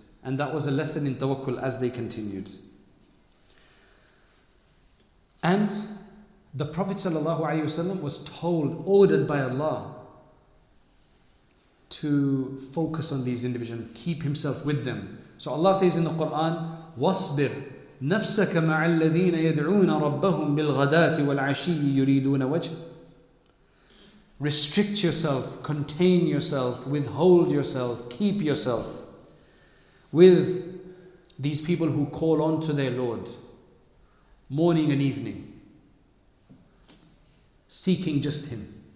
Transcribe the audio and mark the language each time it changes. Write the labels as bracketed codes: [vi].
[en] And that was a lesson in tawakkul as they continued. And the Prophet ﷺ was told, ordered by Allah, to focus on these individuals, keep himself with them. So Allah says in the Quran, [ar] وَاصْبِرْ نَفْسَكَ مَعَ الَّذِينَ يَدْعُونَ رَبَّهُمْ بِالْغَدَاتِ وَالْعَشِيِّ يُرِيدُونَ وَجْهًا. [en] Restrict yourself, contain yourself, withhold yourself, keep yourself with these people who call on to their Lord morning and evening, seeking just Him.